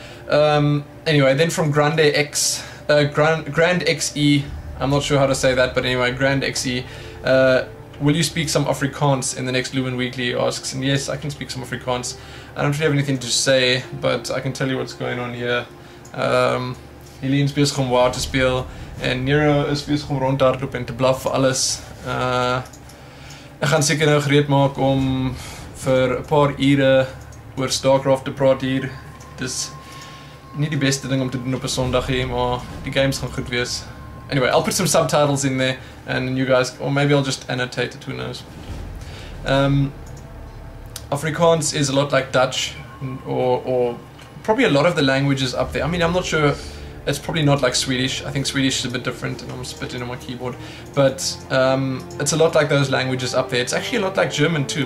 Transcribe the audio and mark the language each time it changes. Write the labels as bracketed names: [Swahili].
[English] Anyway, then from Grande X, Grand XE, I'm not sure how to say that, but anyway, Grand XE, will you speak some Afrikaans in the next Lumin Weekly, asks, and yes, I can speak some Afrikaans. I don't really have anything to say, but I can tell you what's going on here. [Afrikaans] Helene is bezig om waar te speel, en Nero is bezig om rond te hardloop en te blaf voor alles. Ek gaan seker nou gereed maak om vir 'n paar ure oor StarCraft te praat hier. Dis nie die beste ding om te doen op 'n Sondag hier, maar die games gaan goed wees. [English] Anyway, I'll put some subtitles in there, and you guys, or maybe I'll just annotate it, who knows. Afrikaans is a lot like Dutch, or probably a lot of the languages up there. I mean, I'm not sure, it's probably not like Swedish. I think Swedish is a bit different, and I'm spitting on my keyboard. But it's a lot like those languages up there. It's actually a lot like German too.